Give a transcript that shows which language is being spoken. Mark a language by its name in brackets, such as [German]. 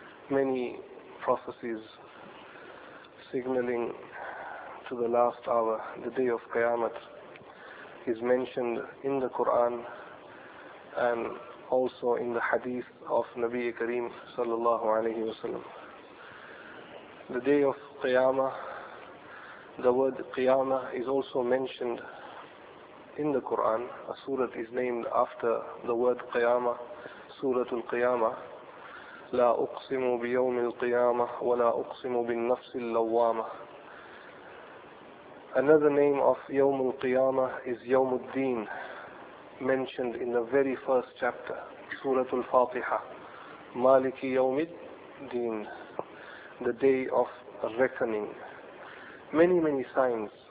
[English] Many prophecies signaling to the last hour, the day of Qiyamah, is mentioned in the Quran and also in the hadith of Nabi Kareem sallallahu alayhi wa sallam. The day of Qiyamah, the word Qiyamah is also mentioned in the Quran. A surah is named after the word Qiyamah, Surah Al-Qiyamah. [Arabic] لا أقسم بيوم القيامة ولا أقسم بالنفس اللوامة. [English] Another name of يوم القيامة is يوم الدين, mentioned in the very first chapter, Surah Al-Fatiha. [Arabic] مالك يوم الدين, [English] the day of reckoning. Many signs.